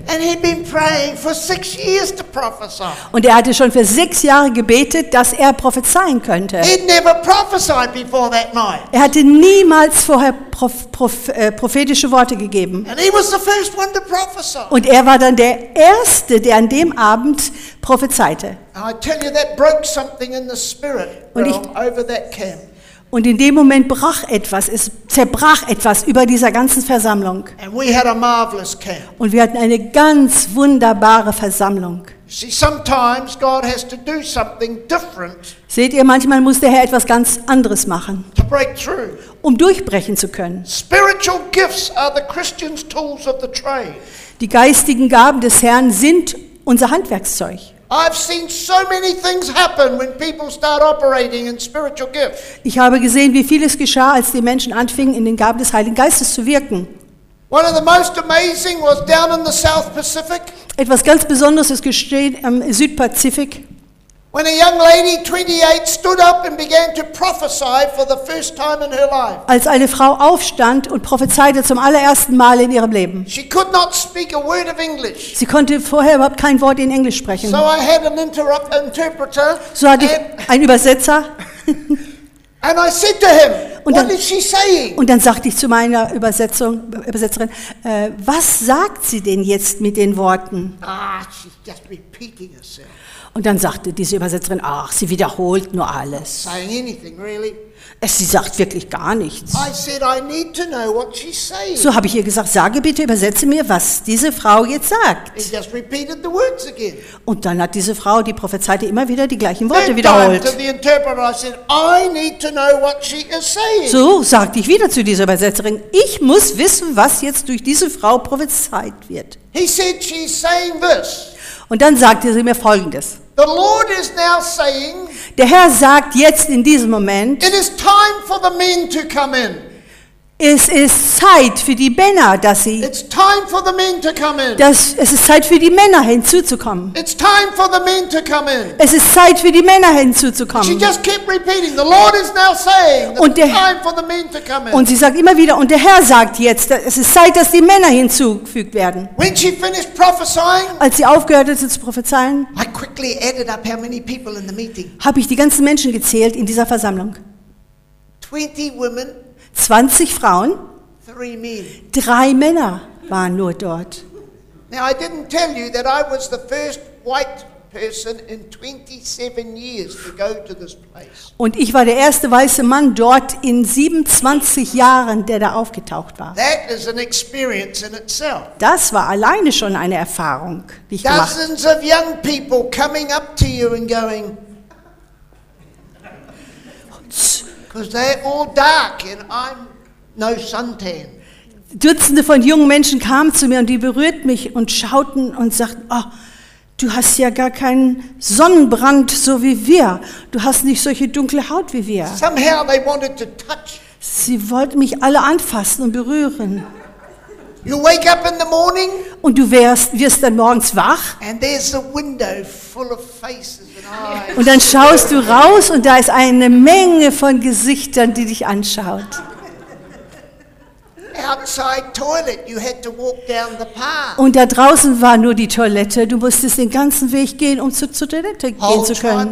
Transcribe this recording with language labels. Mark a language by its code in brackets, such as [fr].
[en] And he'd been praying for 6 years to prophesy. [de] Und er hatte schon für 6 Jahre gebetet, dass er prophezeien könnte. [en] He'd never prophesied before that night. [de] Er hatte niemals vorher prophetische Worte gegeben. [en] And he was the first one to prophesy. [de] Und er war dann der Erste, der an dem Abend prophezeite. [en] I tell you, that broke something in the spirit over that camp. [de] Und in dem Moment brach etwas, es zerbrach etwas über dieser ganzen Versammlung. [en] And we had a marvelous camp. [de] Und wir hatten eine ganz wunderbare Versammlung. [en] See, sometimes God has to do something different. [de] Seht ihr, manchmal muss der Herr etwas ganz anderes machen, [en] to break through, [de] um durchbrechen zu können. [en] Spiritual gifts are the Christian's tools of the trade. [de] Die geistigen Gaben des Herrn sind unser Handwerkszeug. [en] I've seen so many things happen when people start operating in spiritual gifts. [de] Ich habe gesehen, wie vieles geschah, als die Menschen anfingen, in den Gaben des Heiligen Geistes zu wirken. [en] One of the most amazing was down in the South Pacific. [de] Etwas ganz Besonderes ist geschehen im Südpazifik. [en] When a young lady, 28, stood up and began to prophesy for the first time in her life. [de] Als eine Frau aufstand und prophezeite zum allerersten Mal in ihrem Leben. [en] She could not speak a word of English. [de] Sie konnte vorher überhaupt kein Wort in Englisch sprechen. [en] So I had an interpreter. [de] So hatte ich einen Übersetzer. [en] And I said to him, what is she saying? [de] Und dann sagte ich zu meiner Übersetzerin, was sagt sie denn jetzt mit den Worten? [en] Ah, she's just repeating herself. [de] Und dann sagte diese Übersetzerin, ach, sie wiederholt nur alles. [en] Really. [de] Sie sagt wirklich gar nichts. [en] I said, I need to know what she's saying. [de] So habe ich ihr gesagt, sage bitte, übersetze mir, was diese Frau jetzt sagt. [en] It just repeated the words again. [de] Und dann hat diese Frau, die prophezeite, immer wieder die gleichen Worte wiederholt. [en] To the interpreter, I said, I need to know what she is saying. [de] So sagte ich wieder zu dieser Übersetzerin, ich muss wissen, was jetzt durch diese Frau prophezeit wird. [en] He said, she's saying this. [de] Und dann sagte sie mir Folgendes. [en] The Lord is now saying, [de] der Herr sagt jetzt in diesem Moment, [en] it is time for the men to come in. [de] Es ist Zeit für die Männer, dass sie. [en] It's time for the men to come in. [de] Es ist Zeit für die Männer hinzuzukommen. [en] It's time for the men to come in. [de] Es ist Zeit für die Männer hinzuzukommen. [en] She just kept repeating, the Lord is now saying, it's time for the men to come in. [de] Und sie sagt immer wieder, und der Herr sagt jetzt, es ist Zeit, dass die Männer hinzugefügt werden. [en] When she finished prophesying, [de] als sie aufgehört hat zu prophezeien, [en] I quickly added up how many people in the meeting. [de] Habe ich die ganzen Menschen gezählt in dieser Versammlung. [en] 20 women. [de] 20 Frauen, [en] 3 men. [de] 3 Männer waren nur dort. [en] Now I didn't tell you that I was the first white person in 27 years to go to this place. [de] Und ich war der erste weiße Mann dort in 27 Jahren, der da aufgetaucht war. [en] That is an experience in itself. [de] Das war alleine schon eine Erfahrung, die ich gemacht. [en] Dozens of young people coming up to you and going, because they're all dark and I'm no suntan. [de] Dutzende von jungen Menschen kamen zu mir und die berührten mich und schauten und sagten, oh, du hast ja gar keinen Sonnenbrand so wie wir. Du hast nicht solche dunkle Haut wie wir. [en] Somehow they wanted to touch. [de] Sie wollten mich alle anfassen und berühren. [en] You wake up in the morning, [de] und du wirst dann morgens wach. [en] And there's a window full of faces and eyes. [de] Und dann schaust du raus und da ist eine Menge von Gesichtern, die dich anschaut. [en] Outside toilet, you had to walk down the path. [de] Und da draußen war nur die Toilette. Du musstest den ganzen Weg gehen, um zur Toilette gehen zu können.